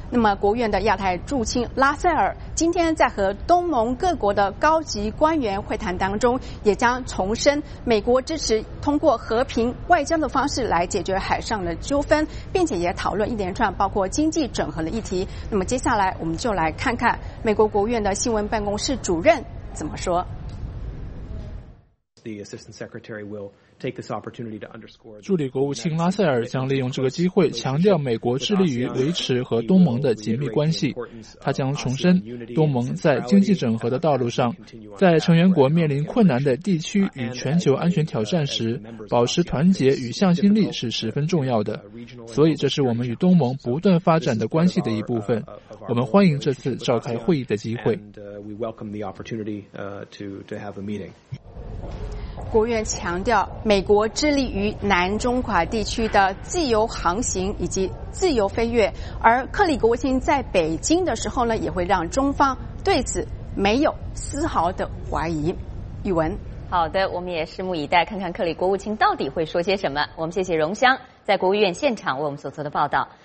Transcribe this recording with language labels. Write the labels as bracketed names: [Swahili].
[Chinese] 那么国务院的亚太驻青拉塞尔今天在和东盟各国的高级官员会谈当中，也将重申美国支持通过和平外交的方式来解决海上的纠纷，并且也讨论一连串包括经济整合的议题。那么接下来我们就来看看美国国务院的新闻办公室主任怎么说。 [English] The Assistant Secretary will take this opportunity to underscore. [Chinese] 助理国务卿拉塞尔将利用这个机会强调美国致力于维持和东盟的紧密关系。他将重申东盟在经济整合的道路上，在成员国面临困难的地区与全球安全挑战时，保持团结与向心力是十分重要的。所以这是我们与东盟不断发展的关系的一部分。我们欢迎这次召开会议的机会。 [English] We welcome the opportunity to have a meeting. [Chinese] 国务院强调，美国致力于南中华地区的自由航行以及自由飞跃，而克里国务卿在北京的时候呢，也会让中方对此没有丝毫的怀疑。宇文，好的，我们也拭目以待，看看克里国务卿到底会说些什么。我们谢谢荣香在国务院现场为我们所做的报道。